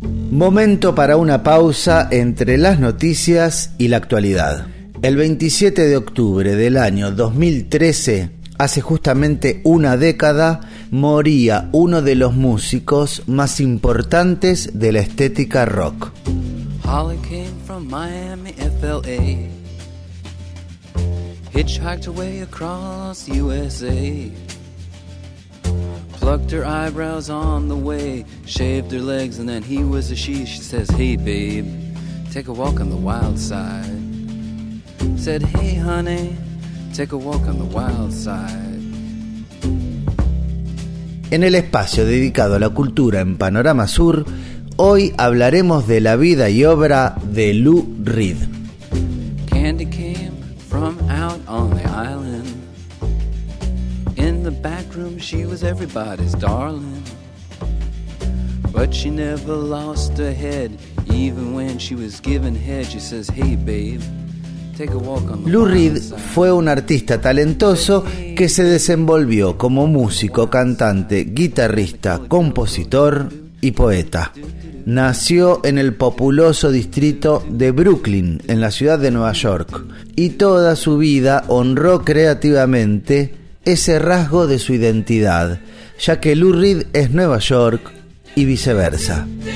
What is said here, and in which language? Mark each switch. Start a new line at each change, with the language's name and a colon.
Spanish: Momento para una pausa entre las noticias y la actualidad. El 27 de octubre del año 2013, hace justamente una década, moría uno de los músicos más importantes de la estética rock.
English: Holly came from Miami, FLA. Hitchhiked away across USA. Plucked her eyebrows on the way, shaved her legs, and then he was a she. She says, hey babe, take a walk on the wild side. Said, hey honey, take a walk on the wild side.
Spanish: En el espacio dedicado a la cultura en Panorama Sur, hoy hablaremos de la vida y obra de Lou Reed.
English: Candy came from out on the island. In the back room she was everybody's darling. But she never lost her head, even when she was given head. She says, hey babe, take a walk on the wild side.
Spanish: Lou Reed fue un artista talentoso que se desenvolvió como músico, cantante, guitarrista, compositor y poeta. Nació en el populoso distrito de Brooklyn, en la ciudad de Nueva York, y toda su vida honró creativamente ese rasgo de su identidad, ya que Lou Reed es Nueva York y viceversa.